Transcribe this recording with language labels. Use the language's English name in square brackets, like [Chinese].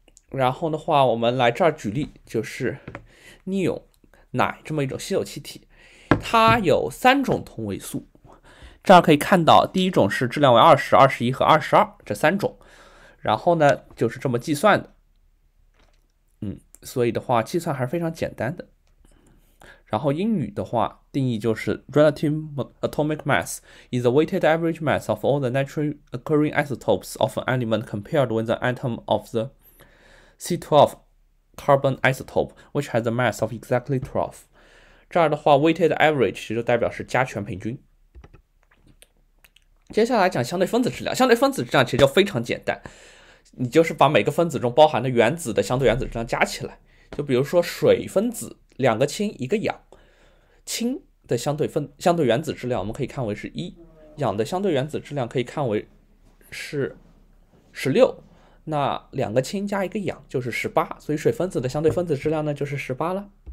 [Chinese] 然后的话，我们来这儿举例，就是 neon 氖这么一种稀有气体，它有三种同位素。这儿可以看到，第一种是质量为20、21和22这三种，然后呢就是这么计算的，所以的话计算还是非常简单的。 [English] 然后英语的话定义就是 relative atomic mass is the weighted average mass of all the naturally occurring isotopes of an element compared with the atom of the C12 carbon isotope which has the mass of exactly 12。 [Chinese] 这儿的话 weighted average 其实就代表是加权平均。接下来讲相对分子质量，相对分子质量其实就非常简单，你就是把每个分子中包含的原子的相对原子质量加起来。就比如说水分子，两个氢一个氧，氢的相对原子质量我们可以看为是一，氧的相对原子质量可以看为是16，那两个氢加一个氧就是18，所以水分子的相对分子质量呢就是18了。